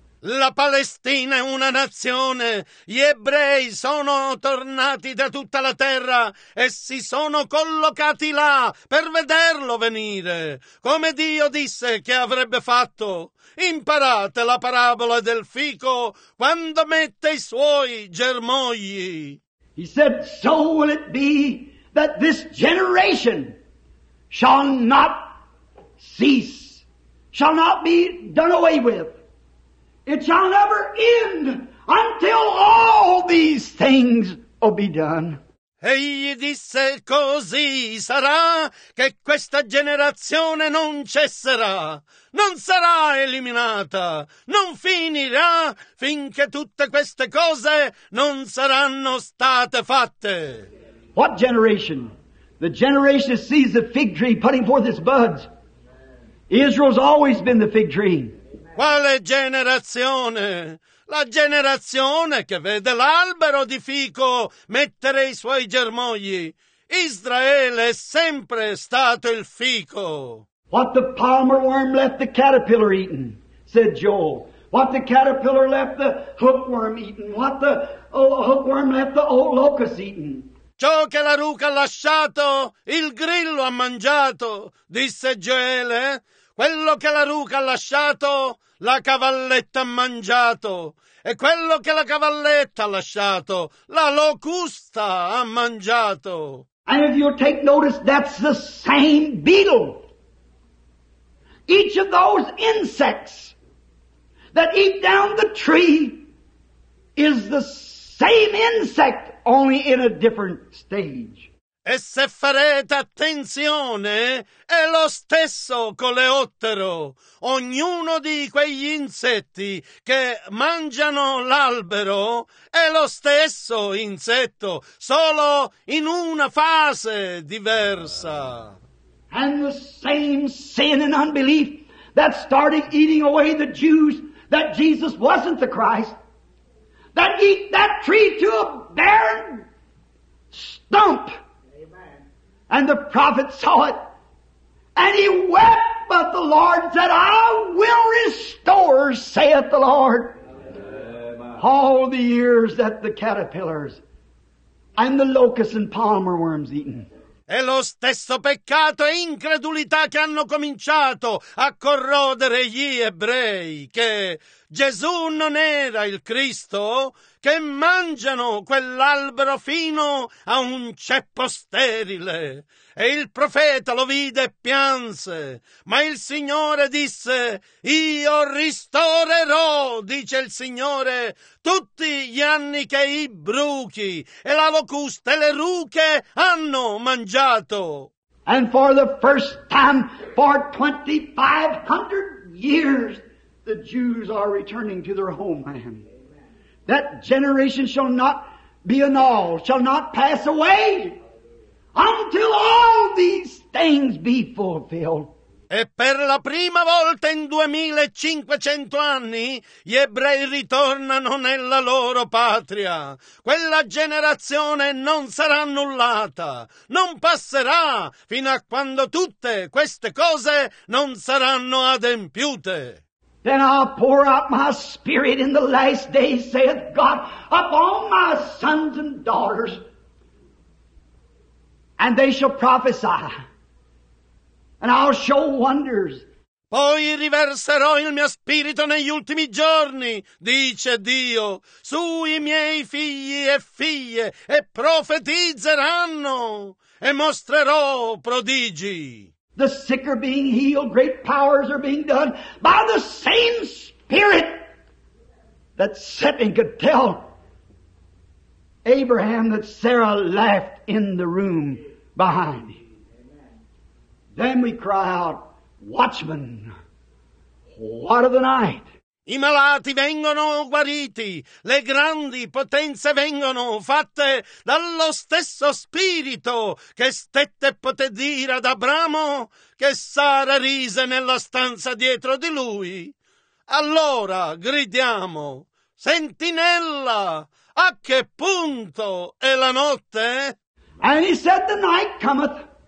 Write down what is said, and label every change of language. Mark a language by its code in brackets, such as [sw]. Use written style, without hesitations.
[it] La Palestina è una nazione. Gli ebrei sono tornati da tutta la terra e si sono collocati là per vederlo venire, come Dio disse che avrebbe fatto. Imparate la parabola del fico quando mette i suoi germogli. [en] He said, so will it be that this generation shall not cease, shall not be done away with. It shall never end until all these things will be done. [it] Egli disse così sarà che questa generazione non cesserà, non sarà eliminata, non finirà finché tutte queste cose non saranno state fatte. [en] What generation? The generation that sees the fig tree putting forth its buds. Israel's always been the fig tree. [it] Quale generazione? La generazione che vede l'albero di fico mettere i suoi germogli. Israele è sempre stato il fico. [en] What the palmer worm left the caterpillar eaten, said Joel. What the caterpillar left the hookworm eaten. What the hookworm left the old locust eaten. [it] Ciò che la ruca ha lasciato, il grillo ha mangiato, disse Gioele. Quello che la ruca ha lasciato, la cavalletta ha mangiato. E quello che la cavalletta ha lasciato, la locusta ha mangiato. [en] And if you'll take notice, that's the same beetle. Each of those insects that eat down the tree is the same insect, only in a different stage. [it] E se farete attenzione, è lo stesso coleottero. Ognuno di quegli insetti che mangiano l'albero è lo stesso insetto, solo in una fase diversa. [en] And the same sin and unbelief that started eating away the Jews, that Jesus wasn't the Christ, that eat that tree to a barren stump. And the prophet saw it, and he wept, but the Lord said, I will restore, saith the Lord. Amen. All the years that the caterpillars and the locusts and palmer worms eaten. [it] E lo stesso peccato e incredulità che hanno cominciato a corrodere gli ebrei, che Gesù non era il Cristo, che mangiano quell'albero fino a un ceppo sterile. E il profeta lo vide e pianse, ma il Signore disse, io ristorerò, dice il Signore, tutti gli anni che i bruchi e la locusta e le ruche hanno mangiato. [en] And for the first time for 2500 years the Jews are returning to their homeland. That generation shall not be annulled, shall not pass away, until all these things be fulfilled. [it] E per la prima volta in 2500 anni gli ebrei ritornano nella loro patria. Quella generazione non sarà annullata, non passerà fino a quando tutte queste cose non saranno adempiute. [en] Then I'll pour out my spirit in the last days, saith God, upon my sons and daughters, and they shall prophesy, and I'll show wonders. [it] Poi riverserò il mio spirito negli ultimi giorni, dice Dio, sui miei figli e figlie, e profetizzeranno, e mostrerò prodigi. [en] The sick are being healed, great powers are being done by the same Spirit that set and could tell Abraham that Sarah left in the room behind him. Then we cry out, Watchman, what of the night? [it] I malati vengono guariti, le grandi potenze vengono fatte dallo stesso spirito che stette poté dire ad Abramo che Sara rise nella stanza dietro di lui. Allora gridiamo, sentinella, a che punto è la notte? [en] And he said, the night cometh.